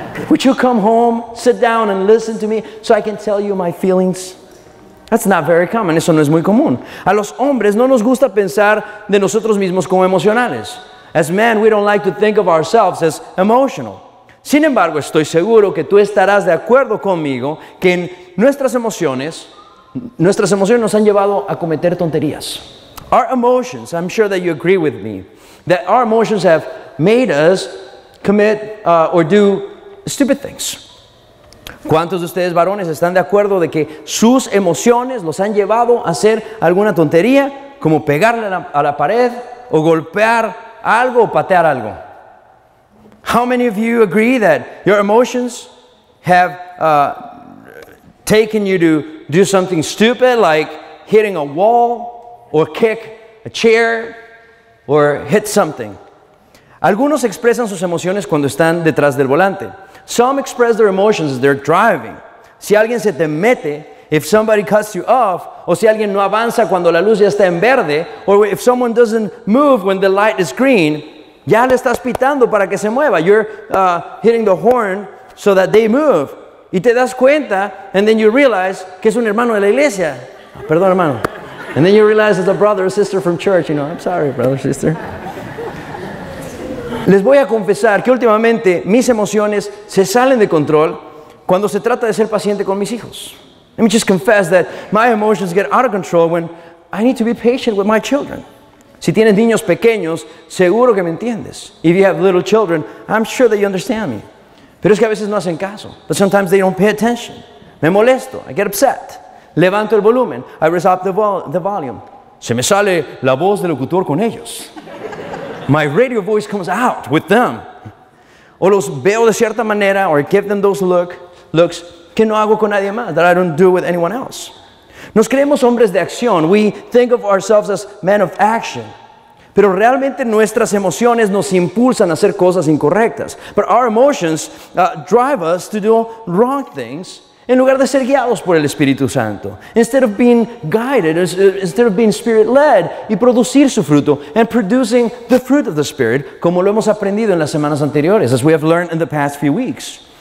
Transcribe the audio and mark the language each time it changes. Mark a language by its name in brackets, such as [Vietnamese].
[English] Would you come home, sit down and listen to me so I can tell you my feelings? That's not very common. [Spanish] Eso no es muy común. A los hombres no nos gusta pensar de nosotros mismos como emocionales. [English] As men, we don't like to think of ourselves as emotional. [Spanish] Sin embargo, estoy seguro que tú estarás de acuerdo conmigo que en nuestras emociones nos han llevado a cometer tonterías. [English] Our emotions, I'm sure that you agree with me, that our emotions have made us commit or do stupid things. [Spanish] ¿Cuántos de ustedes varones están de acuerdo de que sus emociones los han llevado a hacer alguna tontería, como pegarle a la pared o golpear algo o patear algo? [English] How many of you agree that your emotions have taken you to do something stupid like hitting a wall or kick a chair or hit something? [Spanish] Algunos expresan sus emociones cuando están detrás del volante. [English] Some express their emotions as they're driving. [Spanish] Si alguien se te mete, [English] if somebody cuts you off, [Spanish] o si alguien no avanza cuando la luz ya está en verde, [English] or if someone doesn't move when the light is green, [Spanish] ya le estás pitando para que se mueva. [English] You're hitting the horn so that they move. [Spanish] Y te das cuenta, [English] and then you realize [Spanish] que es un hermano de la iglesia. Oh, perdón, hermano. [English] And then you realize it's a brother or sister from church. You know, I'm sorry, brother or sister. [Spanish] Les voy a confesar que últimamente mis emociones se salen de control cuando se trata de ser paciente con mis hijos. [English] Let me just confess that my emotions get out of control when I need to be patient with my children. [Spanish] Si tienes niños pequeños, seguro que me entiendes. [English] If you have little children, I'm sure that you understand me. [Spanish] Pero es que a veces no hacen caso. [English] But sometimes they don't pay attention. [Spanish] Me molesto. [English] I get upset. [Spanish] Levanto el volumen. [English] I raise up the volume. [Spanish] Se me sale la voz del locutor con ellos. [English] My radio voice comes out with them. [Spanish] O los veo de cierta manera, [English] or I give them those looks [Spanish] que no hago con nadie más, [English] that I don't do with anyone else. [Spanish] Nos creemos hombres de acción. [English] We think of ourselves as men of action. [Spanish] Pero realmente nuestras emociones nos impulsan a hacer cosas incorrectas. [English] But our emotions drive us to do wrong things [Spanish] en lugar de ser guiados por el Espíritu Santo. [English] Instead of being guided, instead of being Spirit-led, [Spanish] y producir su fruto, [English] and producing the fruit of the Spirit, [Spanish] como lo hemos aprendido en las semanas anteriores, [English] as we have learned in the past few weeks.